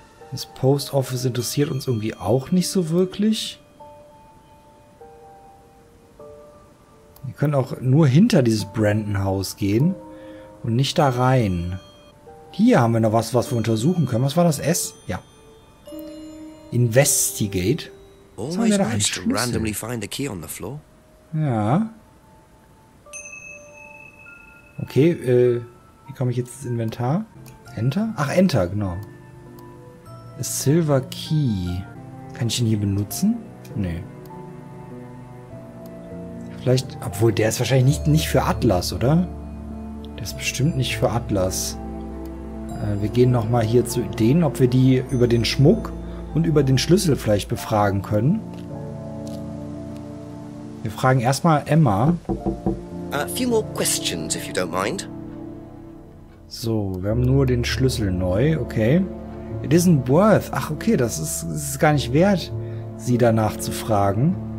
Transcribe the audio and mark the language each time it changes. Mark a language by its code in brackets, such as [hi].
[de] Das Post Office interessiert uns irgendwie auch nicht so wirklich. Wir können auch nur hinter dieses Brandon-Haus gehen. Und nicht da rein. Hier haben wir noch was, was wir untersuchen können. Was war das? S? Ja. Investigate. [en] Always managed to randomly find a key on the floor. [de] Ja. Okay, wie komme ich jetzt ins Inventar? Enter? Ach, Enter, genau. [en] A silver key. [de] Kann ich ihn hier benutzen? Nee. Vielleicht, obwohl der ist wahrscheinlich nicht für Atlas, oder? Der ist bestimmt nicht für Atlas. Wir gehen nochmal hier zu denen, ob wir die über den Schmuck und über den Schlüssel vielleicht befragen können. Wir fragen erstmal Emma. [en] A few more questions, if you don't mind. [de] So, wir haben nur den Schlüssel neu, okay. [en] It isn't worth. [de] Ach, okay, das ist gar nicht wert, sie danach zu fragen.